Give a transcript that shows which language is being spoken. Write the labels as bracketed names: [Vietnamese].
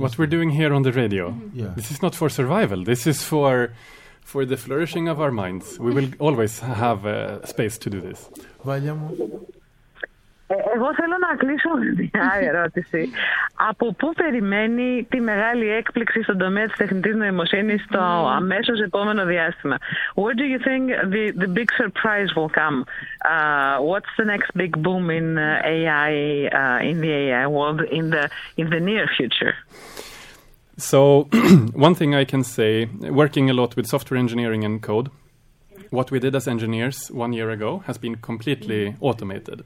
[English] What we're doing here on the radio, this is not for survival, this is for the flourishing of our minds. We will always have a space to do this. [Greek] Βάλια μου... Εγώ θέλω να κλείσω μια ερώτηση. Από πού περιμένει τη μεγάλη έκπληξη στον τομέα της τεχνητής νοημοσύνης στο αμέσως επόμενο διάστημα? [English] Where do you think the big surprise will come? What's the next big boom in AI, in the AI world, in the near future? So, one thing I can say, working a lot with software engineering and code, what we did as engineers 1 year ago has been completely automated.